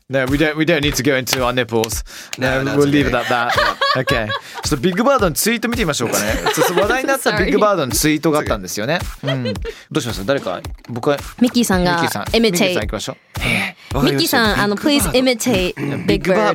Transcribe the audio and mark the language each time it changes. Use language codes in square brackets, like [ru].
[en] No, we don't need to go into our nipples. No, no, we'll leave it at that. Okay. [ja] ちょっとビッグバードのツイート見てみましょうかね。ちょっと話題になったビッグバードのツイートがあったんですよね。うん、どうします、誰か、僕はミッキーさんが、ミッキーさん行きましょう。ミッキーさん、あの、 [en] Please imitate Big Bird。